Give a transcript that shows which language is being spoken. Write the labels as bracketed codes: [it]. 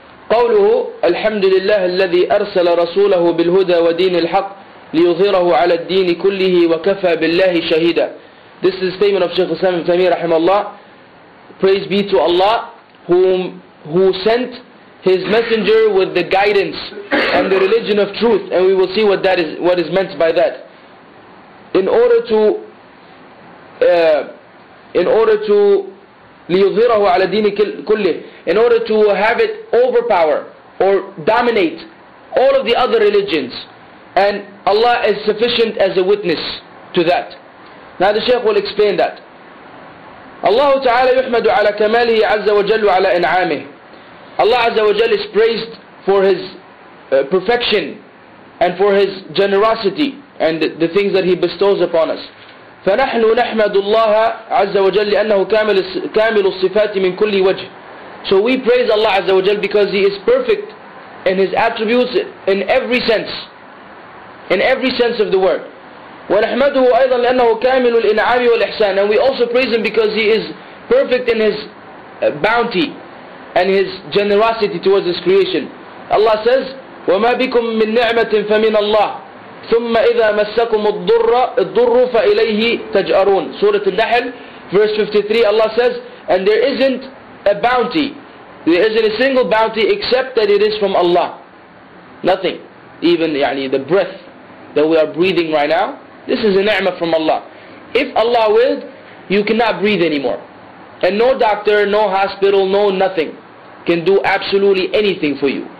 [ar] قوله الحمد لله الذي أرسل رسوله بالهدى ودين الحق ليظهره على الدين كله وكفى بالله شهيدا. [en] This is the statement of Shaykh Islam ibn Taymiyyah rahimahullah. Praise be to Allah who sent His messenger with the guidance and the religion of truth, and we will see what is meant by that. In order to in order to [ar] ليظهره على دين كله, [en] in order to have it overpower or dominate all of the other religions, and Allah is sufficient as a witness to that. Now the Shaykh will explain that. [ar] Allah تعالى يحمد على كماله عز وجل وعلى إنعامه. [en] Allah عز وجل is praised for His perfection and for His generosity and the things that He bestows upon us. [ar] فنحن نحمد الله عز وجل لأنه كامل الصفات من كل وجه. [en] So we praise Allah عز وجل because He is perfect in His attributes in every sense, in every sense of the word. [ar] ونحمده أيضا لأنه كامل الإنعام والإحسان. [en] And we also praise Him because He is perfect in His bounty and His generosity towards His creation. Allah says, [ar] وما بكم من نعمة فمن الله ثم إذا مسكم الضر فإليه تجأرون. [en] سورة النحل, verse 53, Allah says, and there isn't a bounty, there isn't a single bounty except that it is from Allah. Nothing, even يعني, the breath that we are breathing right now, this is a ni'mah from Allah. If Allah willed, you cannot breathe anymore. And no doctor, no hospital, no nothing can do absolutely anything for you.